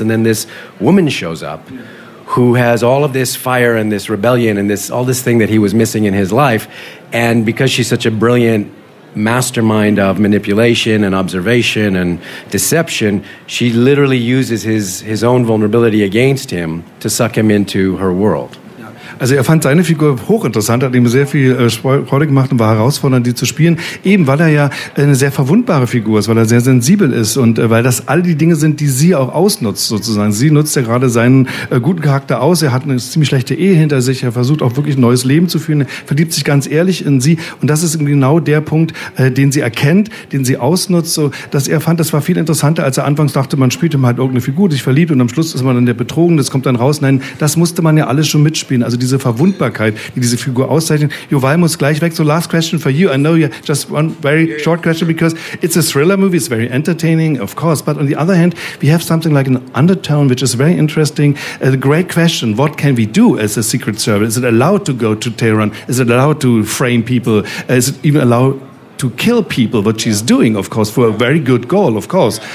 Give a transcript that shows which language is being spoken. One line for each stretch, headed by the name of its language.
English: And then this woman shows up who has all of this fire and this rebellion and this all this thing that he was missing in his life. And because she's such a brilliant mastermind of manipulation and observation and deception, she literally uses his own vulnerability against him to suck him into her world.
German: Also er fand seine Figur hochinteressant, hat ihm sehr viel Freude gemacht und war herausfordernd, die zu spielen, eben weil er ja eine sehr verwundbare Figur ist, weil er sehr sensibel ist und weil das all die Dinge sind, die sie auch ausnutzt sozusagen. Sie nutzt ja gerade seinen guten Charakter aus, er hat eine ziemlich schlechte Ehe hinter sich, er versucht auch wirklich ein neues Leben zu führen, er verliebt sich ganz ehrlich in sie und das ist genau der Punkt, den sie erkennt, den sie ausnutzt, so dass er fand, das war viel interessanter, als er anfangs dachte, man spielt ihm halt irgendeine Figur, sich verliebt und am Schluss ist man dann der Betrogene, das kommt dann raus. Nein, das musste man ja alles schon mitspielen, also diese Verwundbarkeit, die diese Figur auszeichnet. Yuval muss gleich weg.
English: So, last question for you. I know you just one very short question because it's a thriller movie. It's very entertaining, of course. But on the other hand, we have something like an undertone, which is very interesting. The great question, what can we do as a secret service? Is it allowed to go to Tehran? Is it allowed to frame people? Is it even allowed to kill people, what she's doing, of course, for a very good goal, of course.